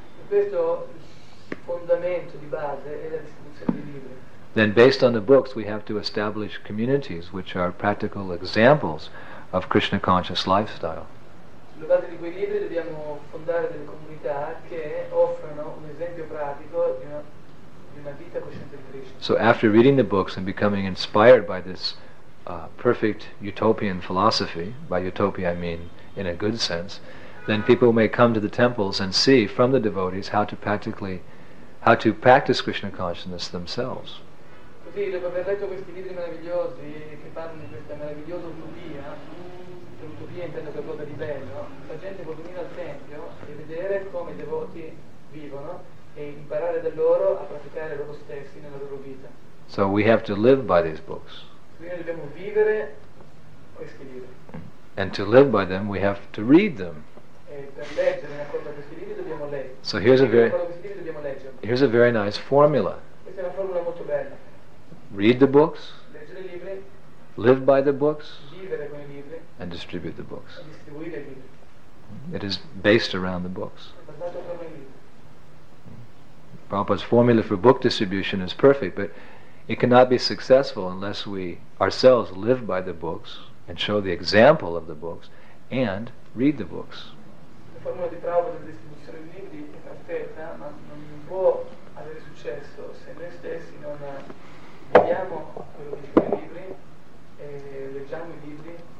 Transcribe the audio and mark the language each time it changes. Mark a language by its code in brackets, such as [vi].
[it] Questo fondamento di base è la distribuzione dei libri. [en] Then based on the books we have to establish communities which are practical examples of Krishna conscious lifestyle. [it] Sulla base di quei libri dobbiamo fondare delle comunità che offrono un esempio pratico di una vita cosciente di Krishna. [en] So after reading the books and becoming inspired by this perfect utopian philosophy, by utopia I mean in a good sense, then people may come to the temples and see from the devotees how to practice Krishna consciousness themselves. [it] Così, dopo aver letto questi libri meravigliosi che parlano di questa meravigliosa utopia, l'utopia intendo qualcosa di bello, la gente può venire al tempio e vedere come i devoti vivono e imparare da loro a praticare loro stessi nella loro vita. [en] So we have to live by these books. [it] Quindi dobbiamo vivere questi libri. [en] And to live by them, we have to read them. [it] E per leggere una cosa questi libri dobbiamo leggere. [en] So here's a very nice formula. [it] Questa è una formula molto bella. [en] Read the books, [it] leggere libri, [en] live by the books, [it] vivere con i libri, [en] and distribute the books. [it] Distribuire i libri. [en] It is based around the books. [it] Basato con i libri. [en] Prabhupada's formula for book distribution is perfect, but it cannot be successful unless we ourselves live by the books and show the example of the books and read the books. [it] La formula di Prabhupada di distribuzione dei libri è perfetta, ma non può avere successo se noi stessi non vediamo quello che scrive i libri e leggiamo i libri.